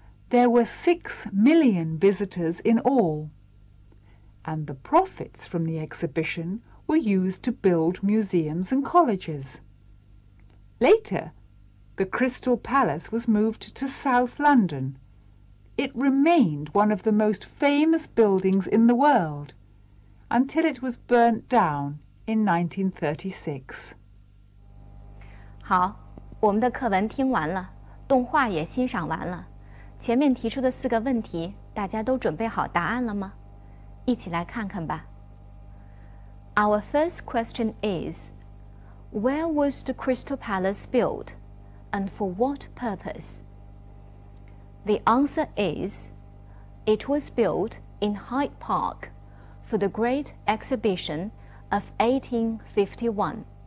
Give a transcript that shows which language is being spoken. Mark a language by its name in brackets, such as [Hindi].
[English] There were 6 million visitors in all, and the profits from the exhibition were used to build museums and colleges. Later,The Crystal Palace was moved to South London. It remained one of the most famous buildings in the world until it was burnt down in 1936. [Chinese] 好，我们的课文听完了，动画也欣赏完了。前面提出的四个问题，大家都准备好答案了吗？一起来看看吧。 [English] Our first question is, where was the Crystal Palace built? And for what purpose? The answer is, it was built in Hyde Park for the Great Exhibition of 1851.